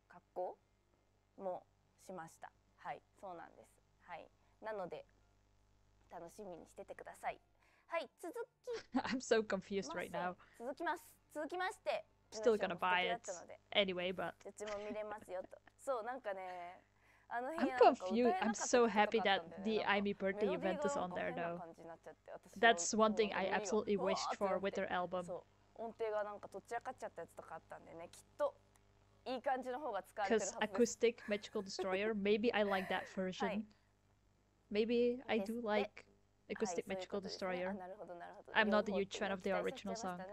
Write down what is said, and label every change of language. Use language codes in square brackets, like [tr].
[ja] 格好もしました。はい、そうなんです。はい。なので、楽しみにしててください。はい、続き。 [en] I'm so confused right now. [ja] 続きます。続きまして。 [en] Still gonna buy it anyway, but. [ja] うちも見れますよと。そう、なんかね、あの日なんか歌えなかった。 [en] I'm so happy that the Aimi birthday event is on there though. That's one thing I absolutely wished for with her album. [ja] そう、音程がなんかとっちらかっちゃったやつとかあったんでね、きっと。いい感じの方が使われてるはず。 [en] Because acoustic magical destroyer, maybe I like that version. 、はい、maybe I do like acoustic magical destroyer. [ja] なるほどなるほど。 [en] I'm not the huge fan of the original song.